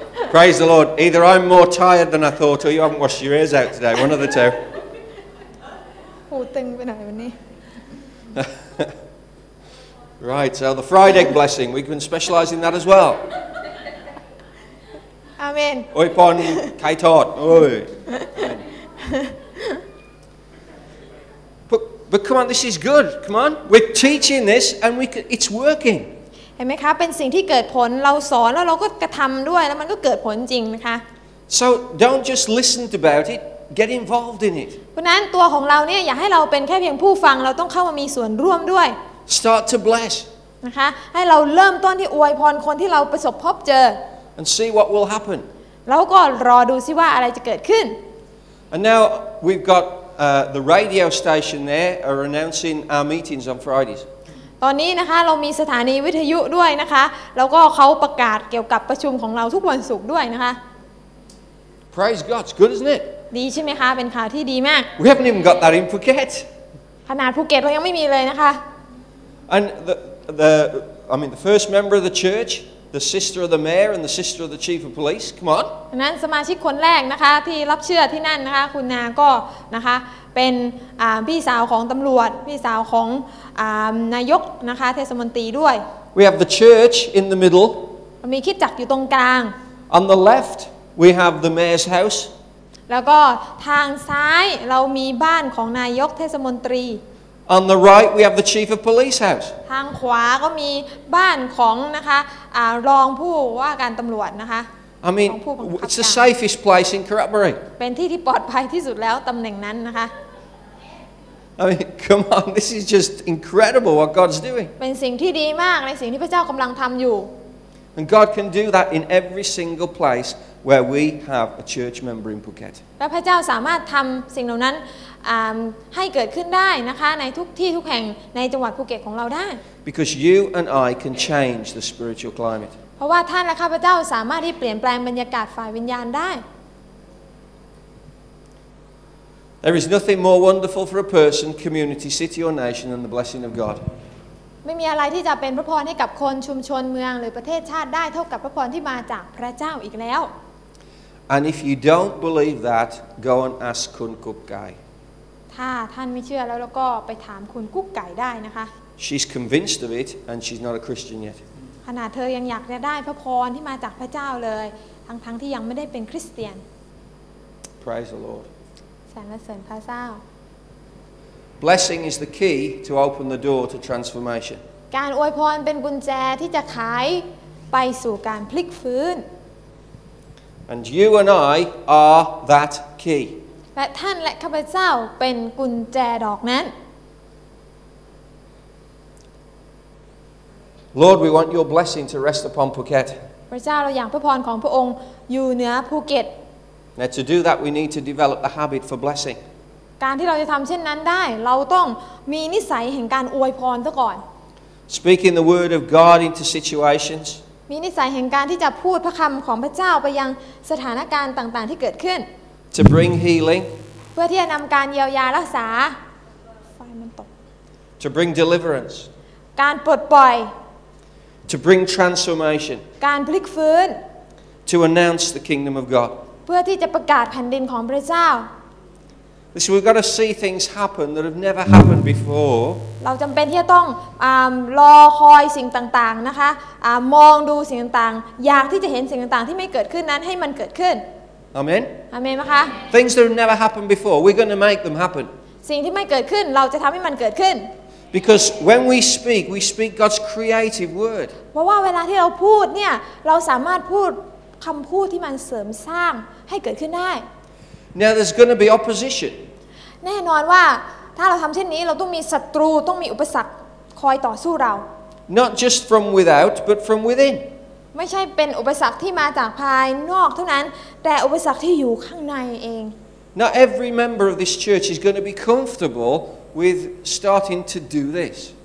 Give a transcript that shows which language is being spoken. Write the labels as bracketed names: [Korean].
[English] Praise the Lord. Either I'm more tired than I thought, or you haven't washed your ears out today. One of the two. Oh, thing we know, isn't it? Right. So the fried egg blessing. We can specialise in that as well. Amen. Oi pon kai tot. Oi. But come on, this is good. Come on, we're teaching this, and it's working. [Thai] เห็นไหมคะเป็นสิ่งที่เกิดผลเราสอนแล้วเราก็กระทำด้วยแล้วมันก็เกิดผลจริงนะคะ [English] So don't just listen about it, get involved in it. [Thai] เพราะนั้นตัวของเราเนี่ยอย่าให้เราเป็นแค่เพียงผู้ฟังเราต้องเข้ามามีส่วนร่วมด้วย [English] Start to bless. [Thai] นะคะให้เราเริ่มต้นที่อวยพรคนที่เราประสบพบเจอ [English] And see what will happen. [Thai] แล้วก็รอดูซิว่าอะไรจะเกิดขึ้น [English] And now we've got the radio station there are announcing our meetings on Fridays. [Thai] ตอนนี้นะคะเรามีสถานีวิทยุด้วยนะคะแล้วก็เขาประกาศเกี่ยวกับประชุมของเราทุกวันศุกร์ด้วยนะคะ [English] Praise God, it's good, isn't it? [Thai] ดีใช่ไหมคะเป็นข่าวที่ดีมาก [English] We haven't even got that in Phuket. [Thai] ขนาดภูเก็ตเรายังไม่มีเลยนะคะ [English] And the first member of the church, the sister of the mayor, and the sister of the chief of police. Come on. [Thai] นั้นสมาชิกคนแรกนะคะที่รับเชื่อที่นั่นนะคะคุณนาก็นะคะเป็นพี่สาวของตำรวจพี่สาวของนายกนะคะเทศมนตรีด้วย [English] We have the church in the middle [Thai] มีคริสตจักรอยู่ตรงกลาง [English] On the left we have the mayor's house [Thai] แล้วก็ทางซ้ายเรามีบ้านของนายกเทศมนตรี [English] On the right we have the chief of police house [Thai] ทางขวาก็มีบ้านของนะคะรองผู้ว่าการตำรวจนะคะ [English] I mean, it's the safest place in Karatbury. [Thai] เป็นที่ที่ปลอดภัยที่สุดแล้วตำแหน่งนั้นนะคะ [English] I mean, come on, this is just incredible what God's doing. [Thai] เป็นสิ่งที่ดีมากในสิ่งที่พระเจ้ากำลังทำอยู่ [English] And God can do that in every single place where we have a church member in Phuket. [Thai] และพระเจ้าสามารถทำสิ่งเหล่านั้นให้เกิดขึ้นได้นะคะในทุกที่ทุกแห่งในจังหวัดภูเก็ตของเราได้ [English] Because you and I can change the spiritual climate. [Thai] เพราะว่าท่านและข้าพเจ้าสามารถที่เปลี่ยนแปลงบรรยากาศฝ่ายวิญญาณได้ [English] There is nothing more wonderful for a person, community, city, or nation than the blessing of God. [Thai] ไม่มีอะไรที่จะเป็นพระพรให้กับคนชุมชนเมืองหรือประเทศชาติได้เท่ากับพระพรที่มาจากพระเจ้าอีกแล้ว [English] And if you don't believe that go and ask คุณกุ๊กไก่ [Thai] ถ้าท่านไม่เชื่อแล้วก็ไปถามคุณกุ๊กไก่ได้นะคะ [English] She's convinced of it and she's not a Christian yet [Thai] ขนาดเธอยังอยากจะได้พระพรที่มาจากพระเจ้าเลยทั้งๆที่ยังไม่ได้เป็นคริสเตียน [English] Praise the Lord [Thai] สรรเสริญพระเจ้า [English] Blessing is the key to open the door to transformation. [Thai] การอวยพรเป็นกุญแจที่จะไขไปสู่การพลิกฟื้น [English] And you and I are that key. [Thai] และท่านและข้าพเจ้าเป็นกุญแจดอกนั้น [English] Lord, we want your blessing to rest upon Phuket. [Thai] พระเจ้าเราอยากพระพรของพระองค์อยู่เหนือภูเก็ต [English] Now to do that, we need to develop the habit for blessing. [Thai] การที่เราจะทำเช่นนั้นได้เราต้องมีนิสัยแห่งการอวยพรซะก่อน [English] Speaking the word of God into situations [Thai] มีนิสัยแห่งการที่จะพูดพระคำของพระเจ้าไปยังสถานการณ์ต่างๆที่เกิดขึ้น [English] To bring healing [Thai] เพื่อที่จะนำการเยียวยารักษาไฟมันตก [English] To bring deliverance [Thai] การปลดปล่อย [English] To bring transformation [Thai] การพลิกฟื้น [English] To announce the kingdom of God [Thai] เพื่อที่จะประกาศแผ่นดินของพระเจ้า [English] This we've got to see things happen that have never happened before. [Thai] เราจำเป็นที่จะต้องรอคอยสิ่งต่างๆนะคะมองดูสิ่งต่างๆอยากที่จะเห็นสิ่งต่างๆที่ไม่เกิดขึ้นนั้นให้มันเกิดขึ้น [English] Amen. [Thai] Amen ไหมคะ [English] Things that have never happened before, we're going to make them happen. [Thai] สิ่งที่ไม่เกิดขึ้นเราจะทำให้มันเกิดขึ้น [English] Because when we speak God's creative word. [Thai] เพราะว่าเวลาที่เราพูดเนี่ยเราสามารถพูดคำพูดที่มันเสริมสร้างให้เกิดขึ้นได้ [English] Now there's going to be opposition. [Thai] แน่นอนว่าถ้าเราทำเช่นนี้เราต้องมีศัตรูต้องมีอุปสรรคคอยต่อสู้เรา [English] Not just from without, but from within. [Thai] ไม่ใช่เป็นอุปสรรคที่มาจากภายนอกเท่านั้นแต่อุปสรรคที่อยู่ข้างในเอง [English] Not every member of this church is going to be comfortable with starting to do this.